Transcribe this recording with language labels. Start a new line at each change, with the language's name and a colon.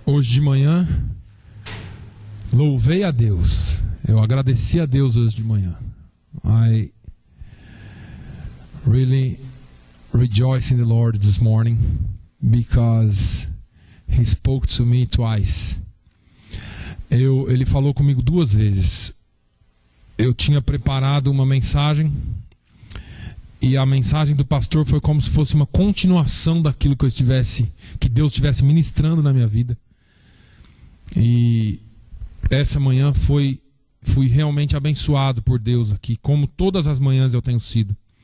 Portuguese: Hoje de manhã, louvei a Deus. Eu agradeci a Deus hoje de manhã.
English: I really rejoice in the Lord this morning because He spoke to me twice.
Portuguese: Ele falou comigo duas vezes. Eu tinha preparado uma mensagem e a mensagem do pastor foi como se fosse uma continuação daquilo que eu estivesse, que Deus estivesse ministrando na minha vida. E essa manhã fui realmente abençoado por Deus aqui, como todas as manhãs eu tenho sido.